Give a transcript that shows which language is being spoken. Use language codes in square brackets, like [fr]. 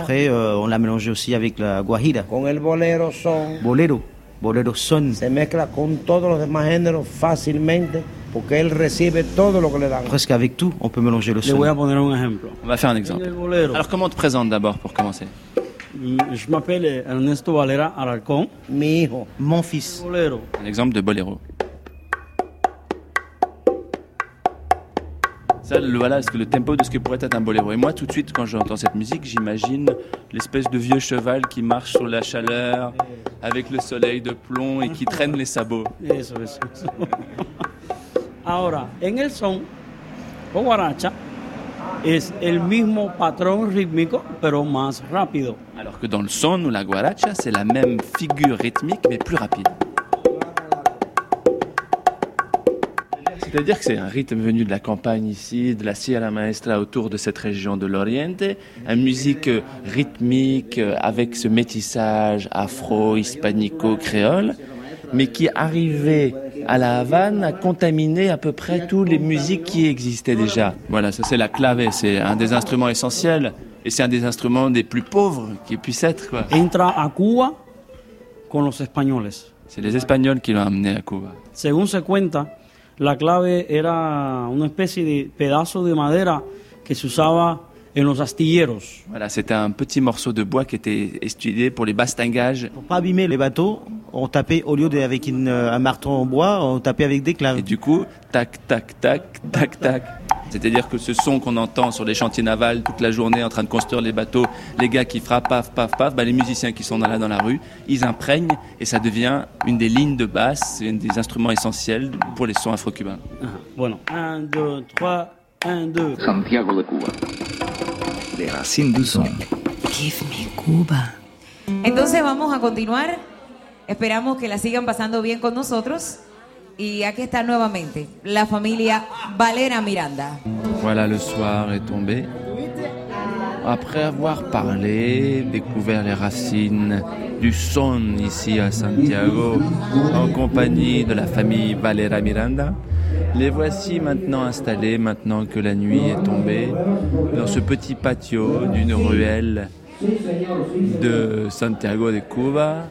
[fr] Après, on l'a mélangé aussi avec la guajira. [es] Con el bolero son. Bolero, bolero son. Se mezcla con todos los demás géneros fácilmente porque él recibe todo lo que le dan. [fr] Presque avec tout, on peut mélanger le son. [es] Le voy a poner un ejemplo. [fr] On va faire un exemple. Alors comment on te présente d'abord pour commencer? Je m'appelle Ernesto Valera Alarcón. [es] Mi hijo. [fr] Mon fils. [es] Bolero. [fr] Un exemple de bolero. Ça, voilà le tempo de ce que pourrait être un boléro. Et moi, tout de suite, quand j'entends cette musique, j'imagine l'espèce de vieux cheval qui marche sur la chaleur, avec le soleil de plomb et qui traîne les sabots. [es] Eso, eso. Ahora, en el son, con guaracha, es el mismo patrón rítmico, pero más rápido. [fr] Alors que dans le son ou la guaracha, c'est la même figure rythmique, mais plus rapide. C'est-à-dire que c'est un rythme venu de la campagne ici, de la Sierra Maestra autour de cette région de l'Oriente, une musique rythmique avec ce métissage afro-hispanico-créole, mais qui arrivait à La Havane à contaminer à peu près toutes les musiques qui existaient déjà. Voilà, ça c'est la clave, c'est un des instruments essentiels, et c'est un des instruments des plus pauvres qui puisse être. [es] Entra à Cuba con los españoles. [fr] C'est les Espagnols qui l'ont amené à Cuba. [es] Según se cuenta, la clave era una especie de pedazo de madera que se usaba en los astilleros. [fr] Voilà, c'était un petit morceau de bois qui était étudié pour les bastingages. Pour pas abîmer les bateaux, on tapait au lieu d'avec un marteau en bois, on tapait avec des claves. Et du coup, tac tac tac tac tac. C'est-à-dire que ce son qu'on entend sur les chantiers navals toute la journée en train de construire les bateaux, les gars qui frappent paf paf paf, bah les musiciens qui sont là dans la rue, ils imprègnent et ça devient une des lignes de basse, c'est un des instruments essentiels pour les sons afro-cubains. Voilà. 1 2 3 1 2 Santiago de Cuba. Les racines du son. [en] Give me Cuba. [es] Entonces vamos a continuar. Esperamos que la sigan pasando bien con nosotros. Y aquí está nuevamente la familia Valera Miranda. [fr] Voilà, le soir est tombé. Après avoir parlé, découvert les racines du son ici à Santiago, en compagnie de la famille Valera Miranda, les voici maintenant installés, maintenant que la nuit est tombée, dans ce petit patio d'une ruelle de Santiago de Cuba.